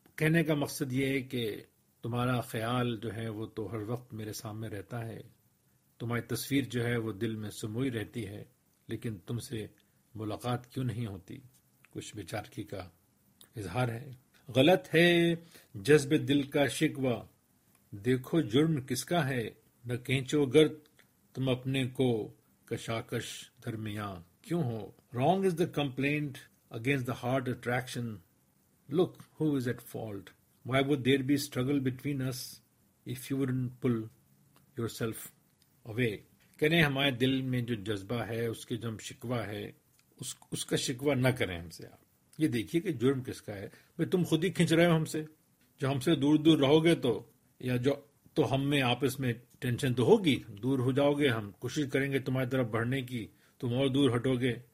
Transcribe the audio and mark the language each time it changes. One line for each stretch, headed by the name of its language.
Urdu: کہنے کا مقصد یہ ہے کہ تمہارا خیال جو ہے وہ تو ہر وقت میرے سامنے رہتا ہے, تمہاری تصویر جو ہے وہ دل میں سموئی رہتی ہے, لیکن تم سے ملاقات کیوں نہیں ہوتی. کچھ بیچارگی کا اظہار ہے. غلط ہے جذب دل کا شکوہ, دیکھو جرم کس کا ہے, نہ کھینچو گرد تم اپنے کو کشاکش درمیان کیوں ہو.
English: Wrong is the complaint against the heart attraction, look who is at fault, why would there be struggle between us if you wouldn't pull yourself away.
Urdu: کہنے ہمارے دل میں جو جذبہ ہے اس کے جو ہم شکوہ ہے اس کا شکوہ نہ کریں ہم سے. آپ یہ دیکھیے کہ جرم کس کا ہے بھائی, تم خود ہی کھینچ رہے ہو ہم سے. جو ہم سے دور دور رہو گے تو یا جو تو ہم میں آپس میں ٹینشن تو ہوگی, دور ہو جاؤ گے, ہم کوشش کریں گے تمہاری طرف بڑھنے کی, تم اور دور ہٹو گے.